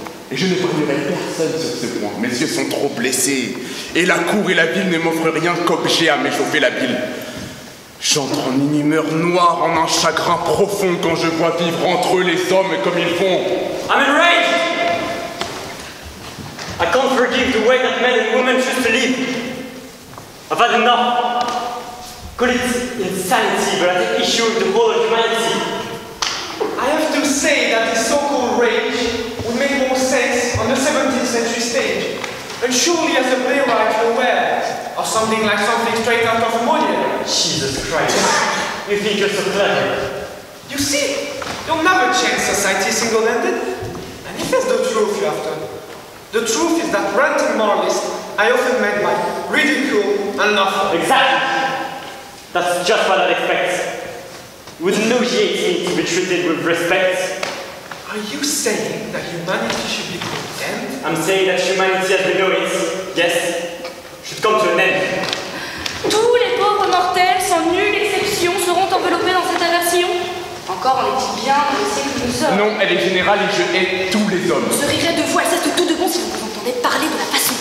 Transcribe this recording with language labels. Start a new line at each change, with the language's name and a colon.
French: Et je ne parlerai personne sur ce point. Mes yeux sont trop blessés. Et la cour et la ville ne m'offrent rien qu'objet à m'échauffer la bile. J'entre en une humeur noire, en un chagrin profond quand je vois vivre entre eux les hommes comme ils font.
English: I'm enraged! I can't forgive the way that men and women choose to live. I've had enough. Call it insanity, but I take issue with the whole of humanity. I have to say that this so-called rage would make more sense on the 17th century stage. And surely as a playwright you're aware of something like something straight out of Moliere. Jesus Christ, you think you're so clever. You see, you'll never change society single-handed. And if that's the truth you have to. The truth is that ranting moralists I often met by ridicule and laughter. Exactly. That's just what I'd expect. Would nauseate me to be treated with respect. Are you saying that humanity should be condemned? I'm saying that humanity as we know it, yes, should come to an end.
French: Tous les pauvres mortels, sans nulle exception, seront enveloppés dans cette aversion. Encore en est-il bien dans le siècle que nous sommes. Non, elle est générale et je hais tous les hommes. Je rirais de vous, Alceste, tout de bon si vous entendez parler de la façon.